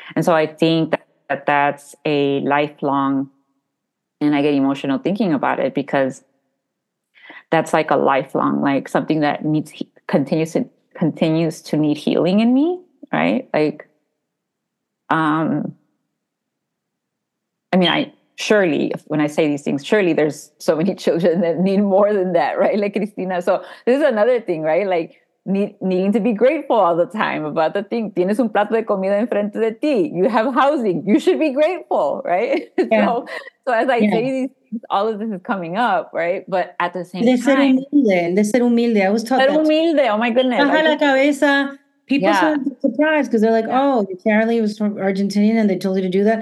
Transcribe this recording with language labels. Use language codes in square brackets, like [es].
[en] And so I think that that's a lifelong, and I get emotional thinking about it because that's like a lifelong, like something that continues to need healing in me, right? Like, I mean, surely there's so many children that need more than that, right? Like Cristina. So this is another thing, right? Like needing to be grateful all the time about the thing. [es] Tienes un plato de comida enfrente de ti. [en] You have housing. You should be grateful, right? Yeah. So as I say these, all of this is coming up, right? But at the same time. [es] De ser humilde. [en] I was taught [es] ser humilde. [en] Oh, my goodness. [es] Baja la cabeza. [en] People sound surprised because they're like, oh, your family was from Argentinian and they told you to do that.